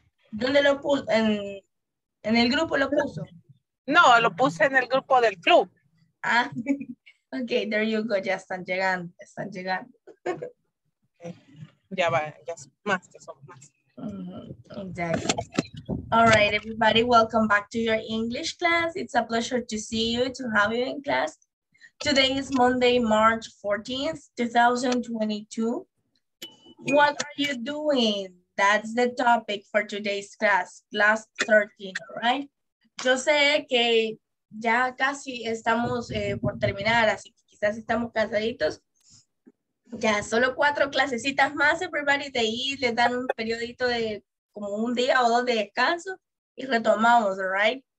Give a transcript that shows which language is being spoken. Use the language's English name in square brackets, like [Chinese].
[Spanish] ¿Dónde lo puse? ¿En el grupo lo puso? No, lo puse en el grupo del club. Ah, ok, [English] there you go. [Spanish] Ya están llegando, están llegando. Okay. Ya va, ya son más, ya son más. [English] Exactly. All right, everybody, welcome back to your English class. It's a pleasure to see you, to have you in class. Today is Monday, March 14th, 2022. What are you doing? That's the topic for today's class, class 13, all right? [Spanish] Yo sé que ya casi estamos por terminar, así que quizás estamos cansaditos. Ya solo 4 clasecitas más, everybody, de ahí les dan un periodito de como un día o dos de descanso y retomamos, right?